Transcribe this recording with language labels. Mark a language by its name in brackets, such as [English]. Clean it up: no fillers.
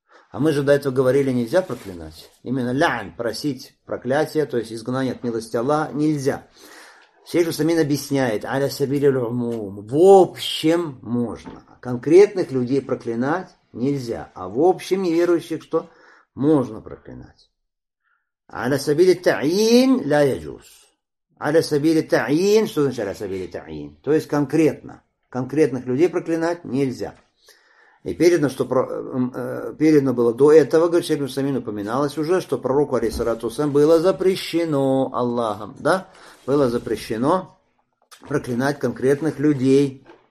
[Russian] А мы же до этого говорили, нельзя проклинать. Именно лян, просить проклятие, то есть изгнание от милости Аллаха, нельзя. Шейх Усамин объясняет, [Arabic] аля сабили л'умум, [Russian] в общем можно. Конкретных людей проклинать нельзя. А в общем неверующих что? Можно проклинать. [Arabic] على سبيل التعيين لا يجوز. على سبيل التعيين, [Russian] что значит [Arabic] على سبيل التعيين? [Russian] То есть конкретно, конкретных людей проклинать нельзя. И передано, что передано было до этого, говорит Шейх Усамин, упоминалось уже, что пророку алейхиссалату вассалям было запрещено Аллахом, да? Было запрещено проклинать конкретных людей.